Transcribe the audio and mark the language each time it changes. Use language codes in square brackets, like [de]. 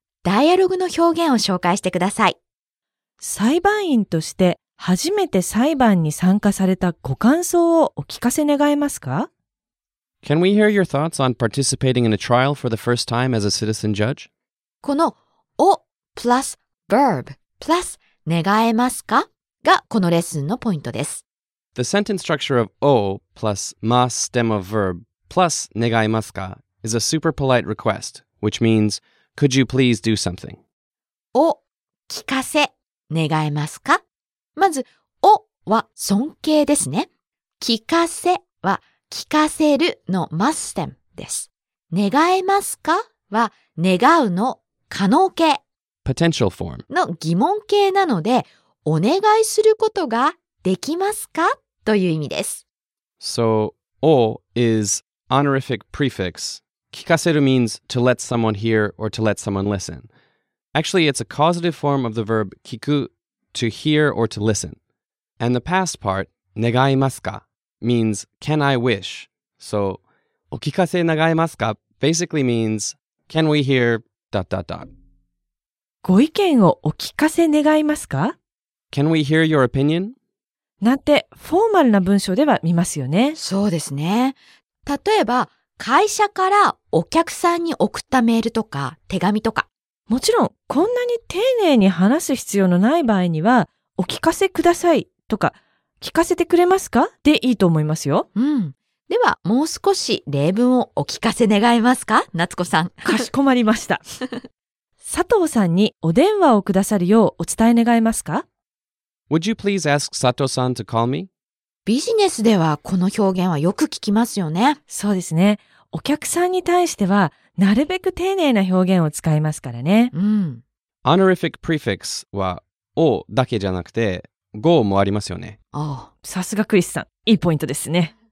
[ja] ダイアログの表現を紹介してください。裁判員として初めて裁判に参加されたご感想をお聞かせ願えますか？ [en] Can we hear your thoughts on participating in a trial for the first time as a citizen judge? [ja] このを [en] plus verb plus [ja] 願えますかがこのレッスンのポイントです。 [en] The sentence structure of を plus ma stem of verb plus 願えますか is a super polite request, which means, could you please do something? [ja] を聞かせ願えますか。まず、をは尊敬ですね。聞かせは聞かせるの ma stem です。願えますかは願うの可能形。 [en] potential form [ja] の疑問形なので、お願いすることができますかという意味です。 [en] So, O is honorific prefix. 聞かせる means to let someone hear or to let someone listen. Actually, it's a causative form of the verb 聞く to hear or to listen. And the past part, 願いますか means can I wish? So, お聞かせ願いますか basically means can we hear? Dot, dot, dot. [ja] ご意見をお聞かせ願いますか? [en] Can we hear your opinion? [ja] なんてフォーマルな文章では見ますよね。そうですね。例えば会社からお客さんに送ったメールとか手紙とか。もちろんこんなに丁寧に話す必要のない場合にはお聞かせくださいとか聞かせてくれますかでいいと思いますよ。うん。ではもう少し例文をお聞かせ願えますか、夏子さん。かしこまりました。佐藤さんにお電話をくださるようお伝え願えますか。 [en] Would you please ask Sato-san to call me? [ja] ビジネスではこの表現はよく聞きますよね。そうですね。お客さんに対してはなるべく丁寧な表現を使いますからね。うん。 Honorific prefix はをだけじゃなくてごもありますよね。ああ、さすがクリスさん。いいポイントですね。